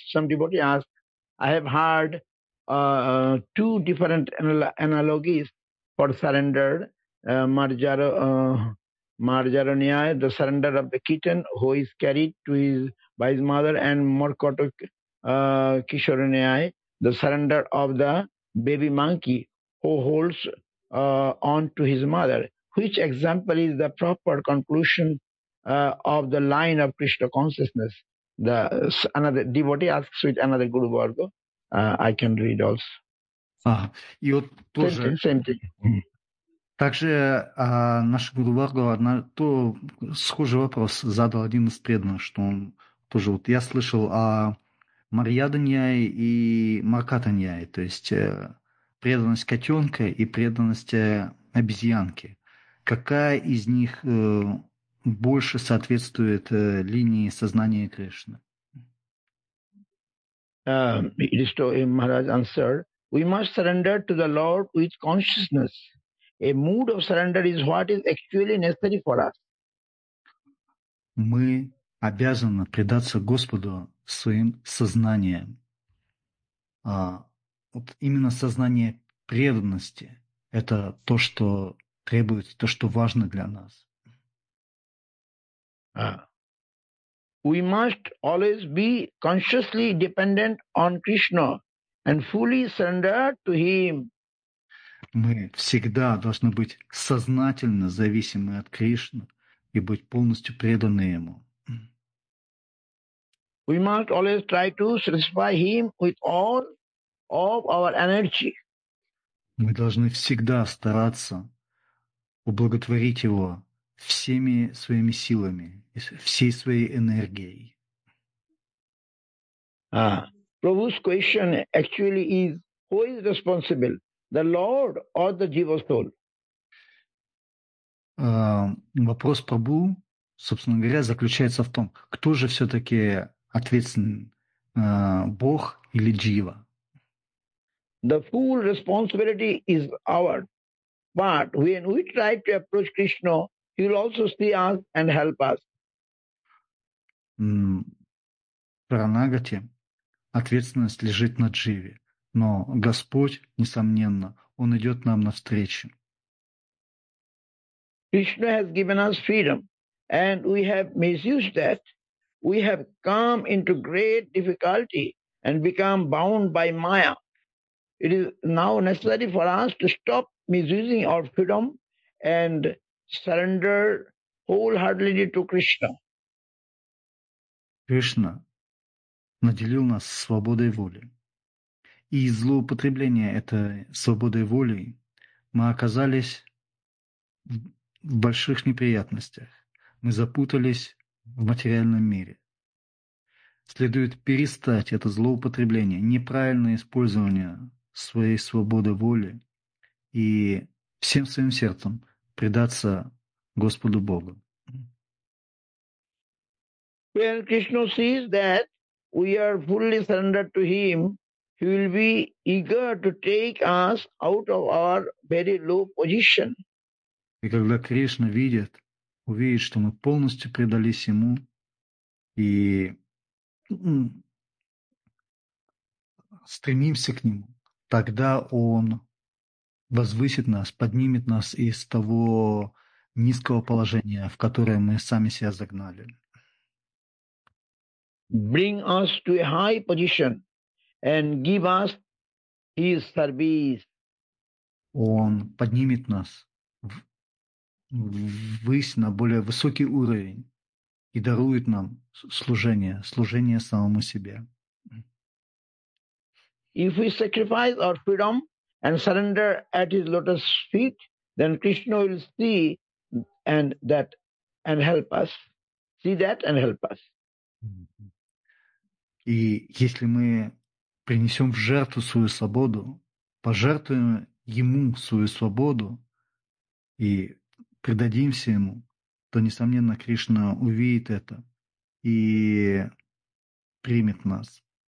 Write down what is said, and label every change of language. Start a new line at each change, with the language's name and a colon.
English: Some devotee asked, I have heard two different analogies for surrender, Marjaraniyaya, the surrender of the kitten who is carried to his by his mother, and Morkoto Kishoraniyaya, the surrender of the baby monkey who holds on to his mother. Which example is the proper conclusion of the line of Krishna consciousness? The another devotee asks with another Guru Varga. I can read also.
Russian: И вот тоже.
English: Same thing.
Russian: Также наш Гуру Варга то схожий вопрос задал один из преданных, что он тоже вот я слышал о Марьяданьяе и Маркатаньяе, то есть преданность котенка и преданность обезьянке. Какая из них больше соответствует линии сознания Кришны?
English: It is to him, Maharaj answered, we must surrender to the Lord with consciousness. A mood of surrender is what is actually necessary for us.
Russian: Мы обязаны предаться Господу своим сознанием. Вот именно сознание преданности – это то, что требуется, то, что важно для нас.
English: We must always be consciously dependent on Krishna and fully surrender to Him.
Russian: Мы всегда должны быть сознательно зависимы от Кришны и быть полностью преданы Ему.
English: We must always try to satisfy Him with all of our energy.
Russian: Мы должны всегда стараться ублаготворить его всеми своими силами, всей своей энергией.
English: Prabhu's question actually is, who is responsible, the Lord or the Jiva soul?
Russian: Вопрос Прабу, собственно говоря, заключается в том, кто же все-таки ответственен, Бог или Джива?
English: The full responsibility is ours. But when we try to approach Krishna, he will also see us and help us.
Russian: Пранагати, ответственность лежит на Дживе. Но Господь, несомненно, Он идет нам навстречу.
English: Krishna has given us freedom, and we have misused that. We have come into great difficulty and become bound by Maya. It is now necessary for us to stop misusing our freedom and surrender wholeheartedly to Krishna.
Russian: Krishna наделил нас свободой воли. И из злоупотребления этой свободой воли мы оказались в больших неприятностях. Мы запутались в материальном мире. Следует перестать это злоупотребление, неправильное использование своей свободы воли и всем своим сердцем предаться Господу Богу.
English: When Krishna sees that we are fully surrendered to Him, He will be eager to take us out of our very low position.
Russian: И когда Кришна видит, увидит, что мы полностью предались Ему, и стремимся к Нему, тогда Он возвысит нас, поднимет нас из того низкого положения, в которое мы сами себя загнали.
English: Bring us to a high position and give us His service.
Russian: Он поднимет нас ввысь на более высокий уровень и дарует нам служение, служение самому себе.
English: If we sacrifice our freedom and surrender at His lotus feet, then Krishna will see and that and help us. See that and help us.
Russian: И если мы принесем в жертву свою свободу, пожертвуем Ему свою свободу и предадимся Ему, то, несомненно, Кришна увидит это и примет нас.